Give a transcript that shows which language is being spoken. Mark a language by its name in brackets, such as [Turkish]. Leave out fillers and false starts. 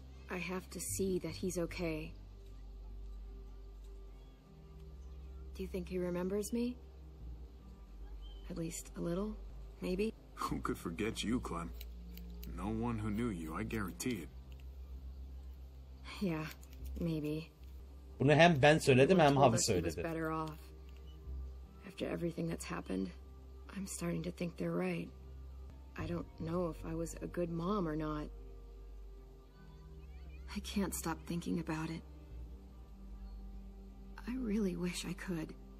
[English] I have to see that he's okay. Do you think he remembers me? At least a little, maybe? Who could forget you, Clem? No one who knew you, I guarantee it. Yeah, maybe. [Turkish] Bunu hem ben söyledim hem Havi söyledi. [English] Better off. After everything that's happened, I'm starting to think they're right. I don't know if I was a good mom or not. I can't stop thinking about it. I really wish I could.